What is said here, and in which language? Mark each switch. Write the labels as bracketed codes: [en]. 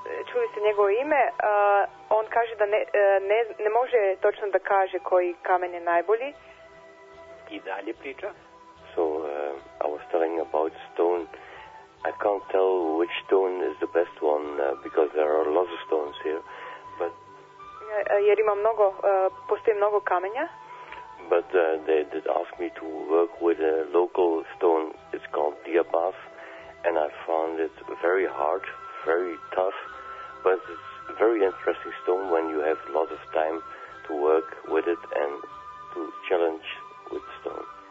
[sr] Čuli ste njegovo ime, on kaže da ne može točno da kaže koji kamen je najbolji. I dalje priča. [en] So, I was telling about stone. I can't tell which stone is the best one, because there are lots of stones here, but... [sr] Jer ima mnogo, postoji mnogo kamenja. [en] But they did ask me to work with a local stone, it's called Diabas, and I found it very hard, very tough. But it's a very interesting stone when you have a lot of time to work with it and to challenge with stone.